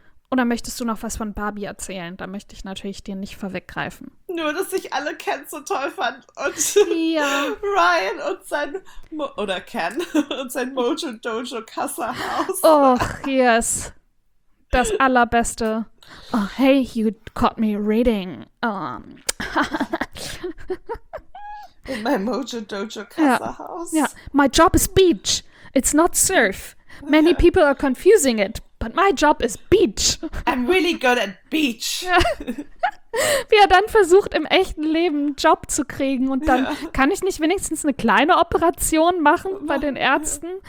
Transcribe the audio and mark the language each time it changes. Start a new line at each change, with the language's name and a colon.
German: Oder möchtest du noch was von Barbie erzählen? Da möchte ich natürlich dir nicht vorweggreifen. Nur, dass ich alle Ken so toll fand. Und ja. Ryan und sein... Ken und sein Mojo Dojo Kassa-Haus. Och, yes. Das allerbeste.
English: Oh, hey, you caught me reading. In my Mojo Dojo Kassa-Haus. Ja. My job is beach. It's not surf. Many people are confusing it. But my job is beach. I'm really good at beach.
German: Ja. Wie er dann versucht, im echten Leben einen Job zu kriegen. Und dann kann ich nicht wenigstens eine kleine Operation machen bei den Ärzten?